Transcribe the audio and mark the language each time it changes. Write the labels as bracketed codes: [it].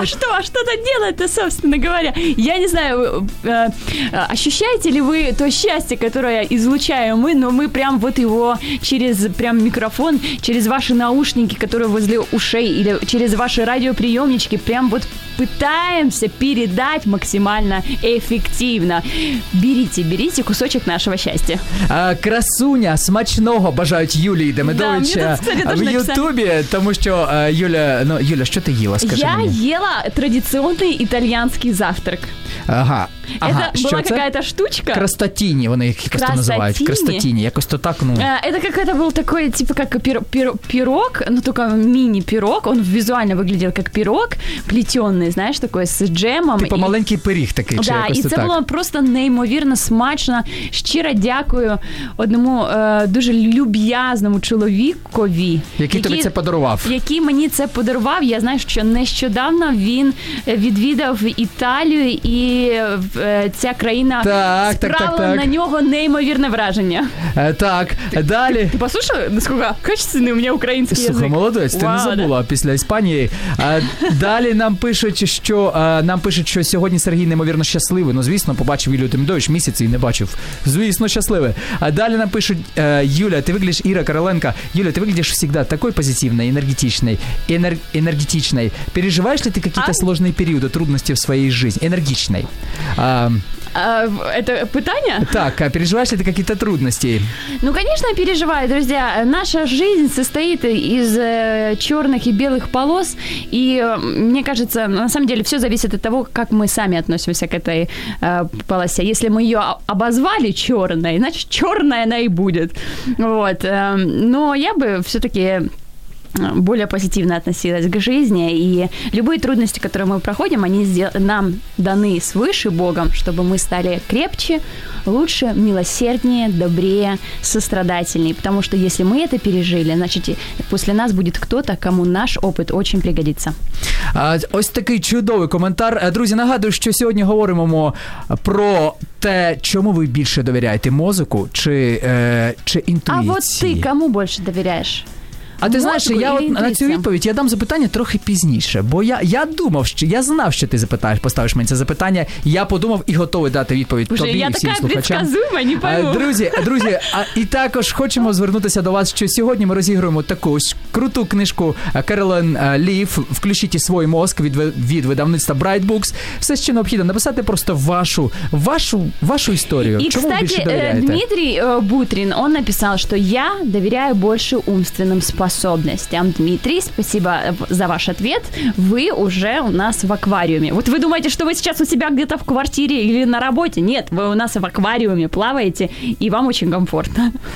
[uk] А що там робити, [ru] собственно говоря? Я не знаю, ощущаєте ли ви то щастя, которое излучаем мы, но мы прям вот его через прям микрофон, через ваши наушники, которые возле ушей, или через ваши радиоприемнички, прям вот пытаемся передать максимально эффективно. Берите кусочек нашего счастья. [uk] А, красуня, смачного, бажают Юлии Демидовича. [ru] Да, мне тут, кстати, в Ютубе, потому что, Юля, ну, Юля, что ты ела, скажи я мне? Я ела традиционный итальянский завтрак. Ага. Это была какая-то штучка? [uk] Крастатини, вони їх якось то називають. Крастатини, якось то так, ну. [ru] Это какой-то был такой, типа, как пирог, но только мини-пирог. Он визуально выглядел как пирог, плетённый, знаешь, такой с джемом. [uk] Типа маленький пиріг такий, чи якось то так. [ru] Да, и это было просто [uk] неймовірно смачно. Щиро дякую одному дуже люб'язному чоловікові. Який тобі це подарував? Який мені це подарував. Я знаю, що нещодавно він відвідав Італію і... ця країна справила на нього неймовірне враження. Так, далі. Ти послухав, наскільки качественний у мене український язик? Слухай, молодець, ти не забула після Іспанії. Далі нам пишуть, що сьогодні Сергій неймовірно щасливий. Ну, звісно, побачив Юлію Демидович місяць і не бачив. Звісно, щасливий. Далі нам пишуть, Юля, ти виглядиш, Іра Короленко, Юля, ти виглядиш завжди такою позитивною, енергетичною. Переживаєш ли ти якісь складні періоди, труднощі в своїй житті? Енергічний. [ru] Это питание? Так, а переживаешь ли ты какие-то трудности? Ну, конечно, я переживаю, друзья. Наша жизнь состоит из черных и белых полос. И мне кажется, на самом деле, все зависит от того, как мы сами относимся к этой полосе. Если мы ее обозвали черной, значит, черная она и будет. Вот. Но я бы все-таки... более позитивно относилась к жизни, и любые трудности, которые мы проходим, они нам даны свыше Богом, чтобы мы стали крепче, лучше, милосерднее, добрее, сострадательнее. Потому что если мы это пережили, значит, после нас будет кто-то, кому наш опыт очень пригодится. [uk] Ось такий чудовий коментар. Друзі, нагадую, що сьогодні говоримо про те, чому ви більше довіряєте мозку чи інтуїції. А вот ти кому більше довіряєш? А ти знаєш, я от на цю відповідь я дам запитання трохи пізніше, бо я думав, що я знав, що ти запитаєш, поставиш мені це запитання. Я подумав і готовий дати відповідь тобі і всім слухачам. Вже я така відказуема, не пойму. Друзі, і також хочемо звернутися до вас, що сьогодні ми розігруємо таку круту книжку Керолін Ліф «Включіть свій мозк» від видавництва Bright Books. Все, що необхідно, написати просто вашу історію. І, чому [ru] кстати, [uk] більше довіряєте? Дмитрий Бутрін, він написав, що я довіряю більше [ru] умственним способностям. Дмитрий, спасибо за ваш ответ. Вы уже у нас в аквариуме. Вот вы думаете, что вы сейчас у себя где-то в квартире или на работе? Нет, вы у нас в аквариуме плаваете, и вам очень комфортно.